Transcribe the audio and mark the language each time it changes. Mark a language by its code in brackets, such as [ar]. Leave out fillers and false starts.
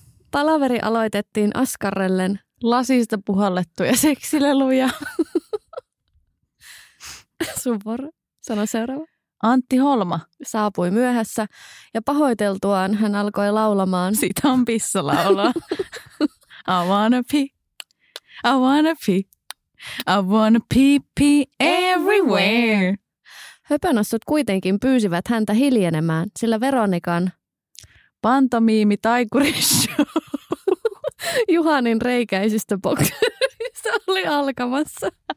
[fi] Palaveri aloitettiin askarrellen. Lasista puhallettuja seksileluja. Sun vuoro. Sano seuraava. Antti Holma saapui myöhässä ja pahoiteltuaan hän alkoi laulamaan. Sitä on pissalaulua. [en] I wanna pee, I wanna pee, I wanna pee pee everywhere. [fi] Höpönassut kuitenkin pyysivät häntä hiljenemään, sillä Veronikan pantomiimi taikurishow Juhanin reikäisistä bokserista oli alkamassa.